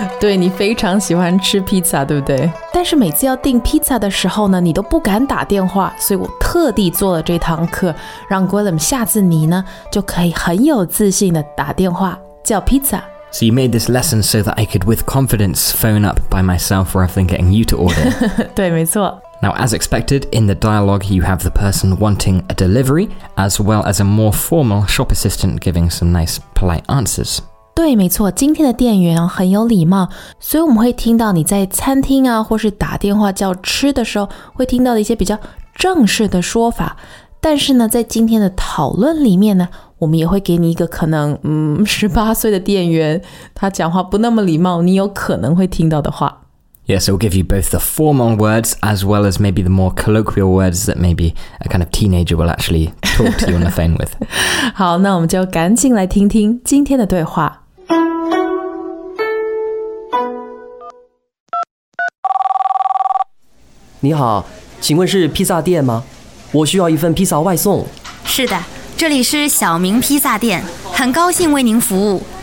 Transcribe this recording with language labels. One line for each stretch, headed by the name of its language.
Chinese: 对，你非常喜欢吃 pizza, 对不对？但是每次要订 pizza 的时候呢，你都不敢打电话，所以我特地做了这堂课，让 Colin 下次你呢，就可以很有自信的打电话叫 pizza。
English: So you made this lesson so that I could with confidence phone up by myself rather than getting you to order.
Chinese: 对，没错。
English: Now, as expected, in the dialogue, you have the person wanting a delivery, as well as a more formal shop assistant giving some nice, polite answers.
Chinese: 对，没错，今天的店员很有礼貌，所以我们会听到你在餐厅啊，或是打电话叫吃的时候，会听到的一些比较正式的说法。但是呢，在今天的讨论里面呢，我们也会给你一个可能，18岁的店员，他讲话不那么礼貌，你有可能会听到的话。
English: Yeah, so we'll give you both the formal words as well as maybe the more colloquial words that maybe a kind of teenager will actually talk to you on the phone with.
Chinese: 好，那我们就赶紧来听听今天的对话。你好，请问是披萨店吗？我需要一份披萨外送。是的，这里是小明披萨店，很高兴为您服务。